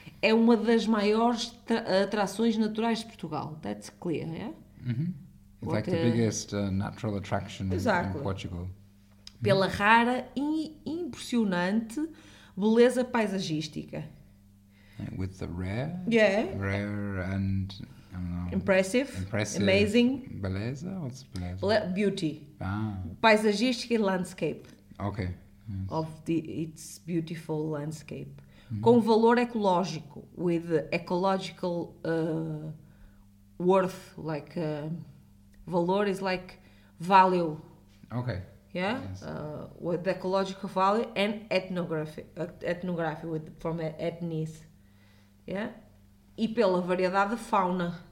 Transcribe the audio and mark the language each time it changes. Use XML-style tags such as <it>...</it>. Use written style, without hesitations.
<pt>É uma das maiores atrações naturais de Portugal.</pt> <en>That's clear, yeah? Mm-hmm. It's like the biggest natural attraction exactly. in Portugal.</en> <pt>Pela rara e impressionante beleza paisagística.</pt> <en>With the rare? Yeah. Rare and, I don't know. Impressive. Amazing. Beleza? What's beleza? Beauty. Ah.</en> <pt>Paisagística e</pt> <en>landscape. Okay. Yes. Of the its beautiful landscape.</en> <pt>Com valor ecológico,</pt> <en>with ecological worth, like valor is like value. Okay. Yeah? Yes. With ecological value and ethnography from ethnies. Yeah?</en> <pt>E pela variedade de fauna.</pt>